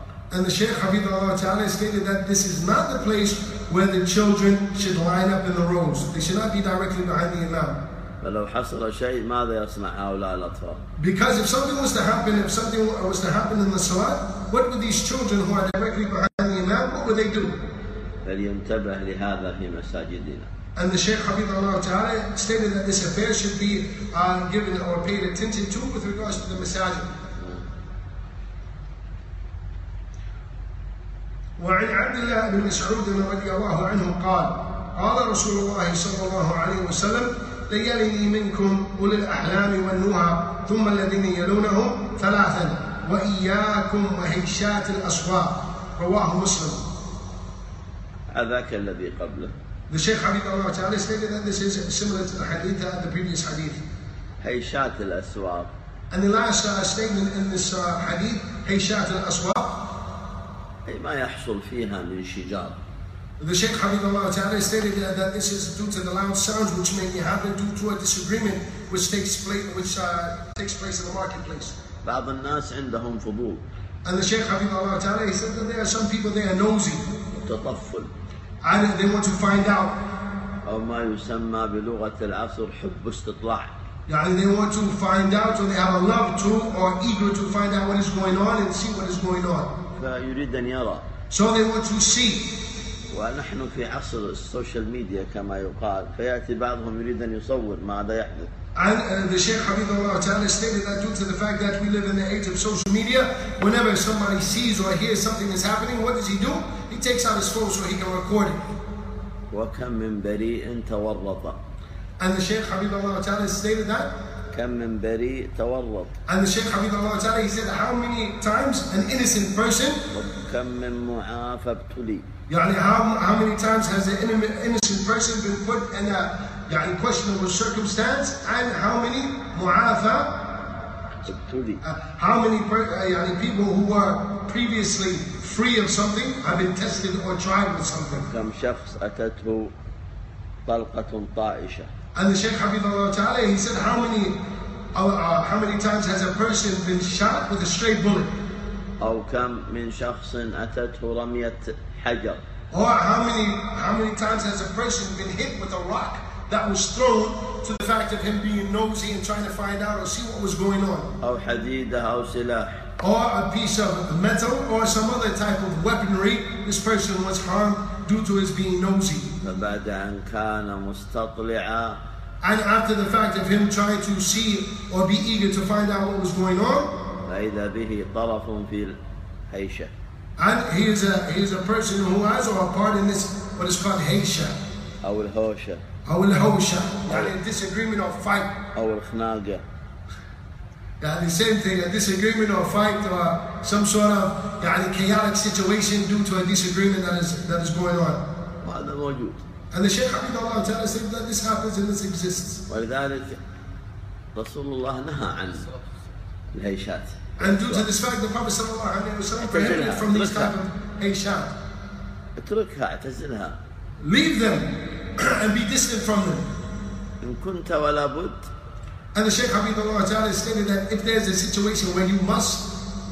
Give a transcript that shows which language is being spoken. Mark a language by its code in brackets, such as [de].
[en] And the Shaykh Hafidhullah Ta'ala stated that this is not the place where the children should line up in the rows. They should not be directly behind the Imam. [ar] فلو حصل شيء ماذا يصنع هؤلاء الأطفال؟ [en] Because if something was to happen in the salat, what would these children who are directly behind the imam, what would [ar] وذيدوه. فلينتبه لهذا في مساجدنا. [en] And the Sheikh Hafidh Allah Ta'ala stated that this affair should be given or paid attention to with regards to the masajid. [ar] وعن عبد الله بن مسعود رضي الله عنه قال قال رسول الله صلى الله عليه وسلم ليلني منكم أولي الأحلام والنهى ثم الذين يلونهم ثلاثا وإياكم وهيشات الأصوات رواه مسلم. أذاك الذي قبله. [en] The Shaykh Hafidh Allah Ta'ala stated that this is similar to the hadith, the previous hadith. [ar] هيشات الأسواق. [en] And the last statement in this hadith, [ar] هيشات الأسواق. أي ما يحصل فيها من شجار. [en] The Shaykh Hafidh Allah Ta'ala stated that, that this is due to the loud sounds which may happen due to a disagreement which takes place in the marketplace. [ar] بعض الناس عندهم فضول. [en] And the Shaykh Hafidh Allah Ta'ala he said that there are some people they are nosy. [ar] تطفل. [en] And they want to find out. [ar] أو ما يسمى بلغة العصر حب استطلاع. [en] يعني they want to find out or they have a love to or eager to find out what is going on and see what is going on. [ar] فيريد أن يرى. [en] So they want to see. [ar] ونحن في عصر السوشيال ميديا كما يقال فيأتي بعضهم يريد أن يصور ماذا يحدث. [en] And the Shaykh Hafidh Allah Ta'ala stated that due to the fact that we live in the age of social media, whenever somebody sees or hears something is happening, what does he do? He takes out his phone so he can record it. [ar] وَكَمْ مِنْ بَرِيءٍ تَوَرَّطَ. [en] And the Shaykh Hafidh Allah Ta'ala stated that. [ar] كَمْ مِنْ بَرِيءٍ تَوَرَّطَ. [en] And the Shaykh Hafidh Allah Ta'ala he said, how many times an innocent person. [ar] كَمْ مِنْ مُعَافَ ابْتُلِي. [en] يعني how many times has an innocent person been put in a يعني questionable circumstance and how many معافى [ar] ابتلي. [en] يعني people who were previously free of something have been tested or tried with something. [ar] كم شخص أتته طلقة طائشة. [en] And the Shaykh Hafidh Allah Ta'ala he said how many times has a person been shot with a stray bullet. [ar] أو كم من شخص أتته رمية حجر. [en] Or how many times has a person been hit with a rock that was thrown to the fact of him being nosy and trying to find out or see what was going on. [ar] أو حديدة أو سلاح. [en] Or a piece of metal or some other type of weaponry, this person was harmed due to his being nosy. [ar] فبعد أن كان مستطلعا. [en] And after the fact of him trying to see or be eager to find out what was going on. [ar] فإذا به طرف في الهيشة. [en] And he is a person who has or a part in this what is called هيشة. [ar] أو الهوشة. أو الهوشة. [en] يعني disagreement or fight. [ar] أو الخناقة. [en] يعني the same thing, a disagreement or fight or some sort of يعني chaotic situation due to a disagreement that is going on. [ar] وهذا موجود. [en] And the Shaykh Hafidh Allah Ta'ala said that this happens and this exists. [ar] ولذلك رسول الله نهى عن الهيشات. [en] And due to this fact, the Prophet [ar] صلى الله عليه وسلم [en] prohibited from these type of هيشات. [ar] اتركها اعتزلها. [en] Leave them and be distant from them. [ar] إن كنت ولا بد. [en] And the Shaykh Hafidh Allah Ta'ala stated that if there's a situation where you must,